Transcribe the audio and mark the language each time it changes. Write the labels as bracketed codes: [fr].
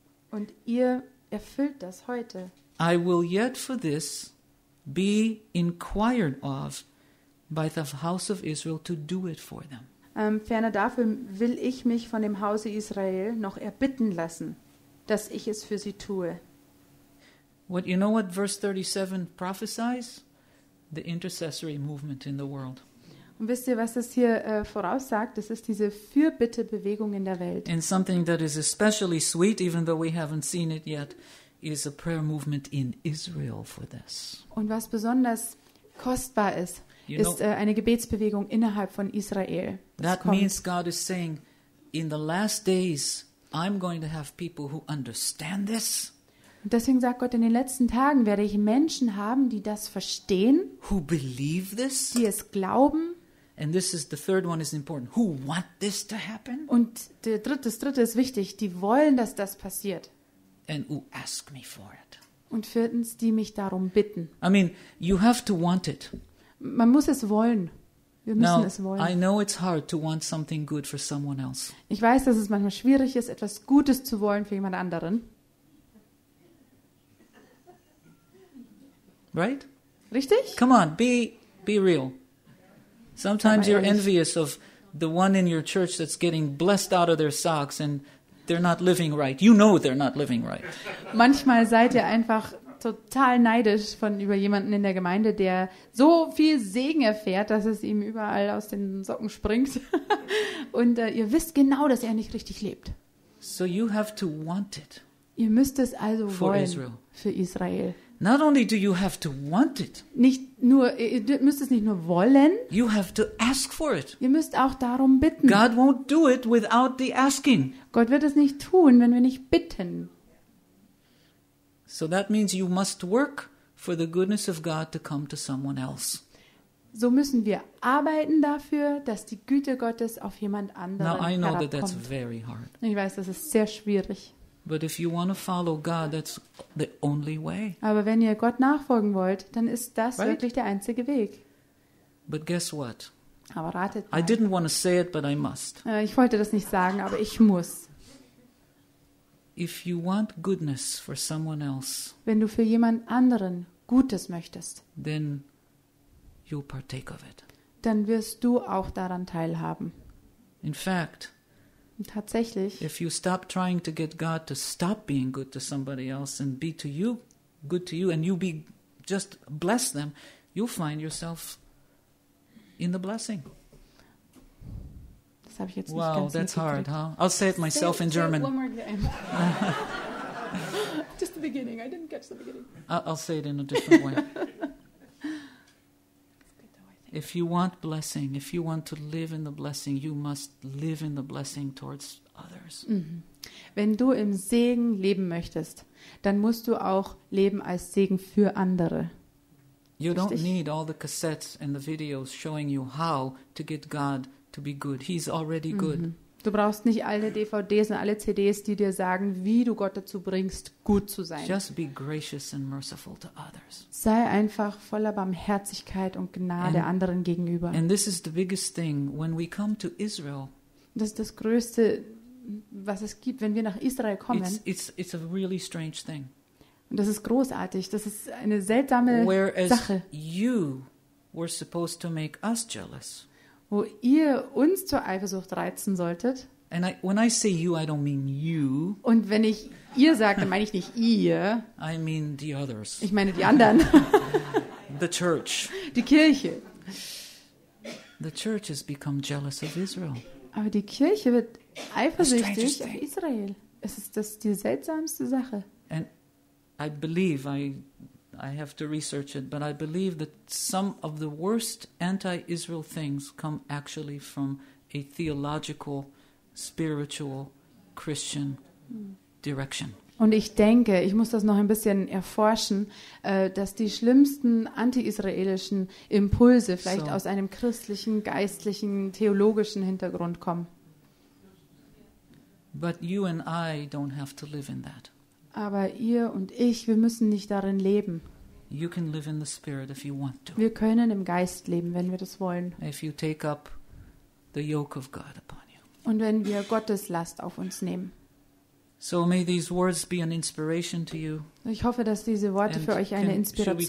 [de] Und ihr erfüllt das heute. [en] I will yet for this be inquired of by the house of Israel to do it for them. [de] Ferner dafür will ich mich von dem Hause Israel noch erbitten lassen, dass ich es für sie tue. [en] What you know what verse 37 prophesies? The intercessory movement in the world. [de] Und wisst ihr, was das hier voraussagt? Das ist diese Fürbitte-Bewegung in der Welt. [en] And something that is especially sweet, even though we haven't seen it yet, is a prayer movement in Israel for this. [de] Und was besonders kostbar ist, [en] you [de] ist [en] know, [de] eine Gebetsbewegung innerhalb von Israel. [en] That [de] kommt. [en] Means God is saying, in the last days, I'm going to have people who understand this. [de] Und deswegen sagt Gott, in den letzten Tagen werde ich Menschen haben, die das verstehen. [en] Who believe this. [de] Die es glauben. [en] And this is the third one is important. Who want this to happen? [de] Und das dritte ist wichtig. Die wollen, dass das passiert. [en] And who ask me for it? [de] Und viertens, die mich darum bitten. [en] I mean, you have to want it. [de] Man muss es wollen. Wir müssen [en] Now, [de] es wollen. [en] I know it's hard to want something good for someone else. [de] Ich weiß, dass es manchmal schwierig ist, etwas Gutes zu wollen für jemand anderen. [en] Right? [de] Richtig? [en] Come on, be real. Sometimes you're envious of the one in your church that's getting blessed out of their socks and they're not living right. You know they're not living right. [de] Manchmal seid ihr einfach total neidisch von über jemanden in der Gemeinde, der so viel Segen erfährt, dass es ihm überall aus den Socken springt. Und ihr wisst genau, dass er nicht richtig lebt. [en] So you have to want it. [de] Ihr müsst es also wollen für Israel. [en] Not only do you have to want it. [de] Nicht nur, ihr müsst es nicht nur wollen. [en] You have to ask for it. [de] Ihr müsst auch darum bitten. [en] God won't do it without the asking. [de] Gott wird es nicht tun, wenn wir nicht bitten. [en] So that means you must work for the goodness of God to come to someone else. [de] So müssen wir arbeiten dafür, dass die Güte Gottes auf jemand anderen herabkommt. [en] Now I know that that's very hard. [de] Ich weiß, das ist sehr schwierig. [en] But if you want to follow God, that's the only way. [de] Aber wenn ihr Gott nachfolgen wollt, dann ist das [en] right? [de] wirklich der einzige Weg. [en] But guess what? [de] Aber ratet mal. [en] I didn't want to say it, but I must. [de] Ich wollte das nicht sagen, aber ich muss. [en] If you want goodness for someone else, [de] wenn du für jemand anderen Gutes möchtest, [en] then you partake of it. [de] Dann wirst du auch daran teilhaben. [en] In fact, [de] tatsächlich, [en] if you stop trying to get God to stop being good to somebody else and be to you, good to you, and you be just bless them, you'll find yourself in the blessing. [de] Das habe ich jetzt wow, nicht ganz [en] that's hard, huh? I'll say it myself say, in German. Say it one more time. Just the beginning. I didn't catch the beginning. I'll say it in a different way. If you want blessing, if you want to live in the blessing, you must live in the blessing towards others. [de] Wenn du im Segen leben möchtest, dann musst du auch leben als Segen für andere. [en] You don't need all the cassettes and the videos showing you how to get God to be good. He's already good. [de] Du brauchst nicht alle DVDs und alle CDs, die dir sagen, wie du Gott dazu bringst, gut zu sein. [en] Just be gracious and merciful to others. [de] Sei einfach voller Barmherzigkeit und Gnade anderen gegenüber. [en] And this is the biggest thing when we come to Israel. [de] Das ist das Größte, was es gibt, wenn wir nach Israel kommen. [en] It's a really strange thing. [de] Und das ist großartig. Das ist eine seltsame [en] Whereas [de] Sache. [en] You were supposed to make us jealous. [de] Wo ihr uns zur Eifersucht reizen solltet. [en] And when I say you, I don't mean you. [de] Und wenn ich ihr sage, dann meine ich nicht ihr. [en] I mean the others. [de] Ich meine die anderen. [en] The church. [de] Die Kirche. [en] The church has become jealous of Israel. [de] Aber die Kirche wird eifersüchtig auf Israel. Es ist das die seltsamste Sache. [en] And I believe I have to research it, but I believe that some of the worst anti-Israel things come actually from a theological, spiritual, Christian direction. [de] Und ich denke, ich muss das noch ein bisschen erforschen, dass die schlimmsten anti-israelischen Impulse vielleicht aus einem christlichen, geistlichen, theologischen Hintergrund kommen. [en] But you and I don't have to live in that. [de] Aber ihr und ich, wir müssen nicht darin leben. [en] You can live in the spirit if you want to. [de] Wir können im Geist leben, wenn wir das wollen. [en] If you take up the yoke of God upon you. [de] Und wenn wir Gottes Last auf uns nehmen. [en] So may these words be an inspiration to you. [de] Ich hoffe, dass diese Worte [en] and [de] für euch eine Inspiration sind.